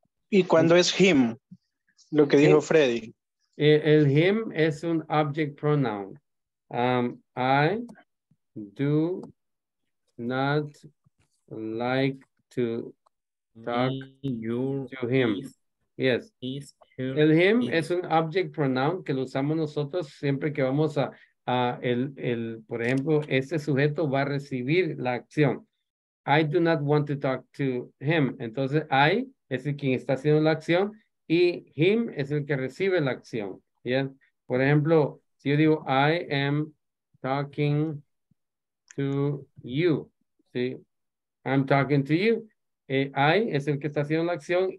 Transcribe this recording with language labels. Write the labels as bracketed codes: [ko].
[es] Y cuando es him, lo que dijo Freddy. El him es un object pronoun. [en] I do not like to talk to him. Yes. [es] El him es un object pronoun que lo usamos nosotros siempre que vamos a por ejemplo, este sujeto va a recibir la acción. [en] I do not want to talk to him. [es] Entonces, I es el quien está haciendo la acción y him es el que recibe la acción. ¿Bien? Por ejemplo, si yo digo, [en] I am talking to you. [es] ¿Sí? [en] I'm talking to you. [es] I es el que está haciendo la acción.